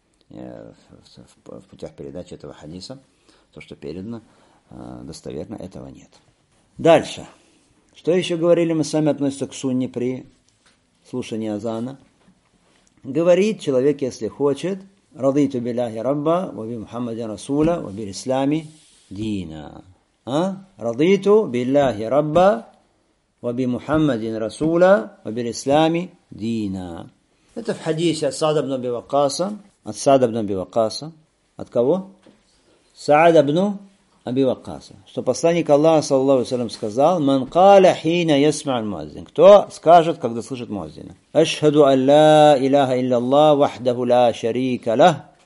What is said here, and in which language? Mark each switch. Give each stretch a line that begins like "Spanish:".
Russian: В путях передачи этого хадиса, то, что передано, достоверно, этого нет. Дальше. Что еще говорили мы с вами относится к сунне при слушании азана? Говорит человек, если хочет,
Arabic: «Радиту билляхи рабба, ва би Мухаммадин расуля, ва би исламе дина». رضيت بالله ربا وبمحمد رسولا وبالإسلام دينا.
Russian: Это в хадисе от Саада ибн Аби Ваккаса. От Саада ибн Аби Ваккаса. От кого? Саада ибн Аби Ваккаса. Что посланник Аллаха, саллаллаху алейхи ва саллям, сказал:
Arabic: «Ман каля хина йасмаъ аль-муаззин».
Russian: Кто скажет, когда слышит муаззина?
Arabic: «Ашхаду ан ла илаха илля Аллах вахдаху ла шарика лах».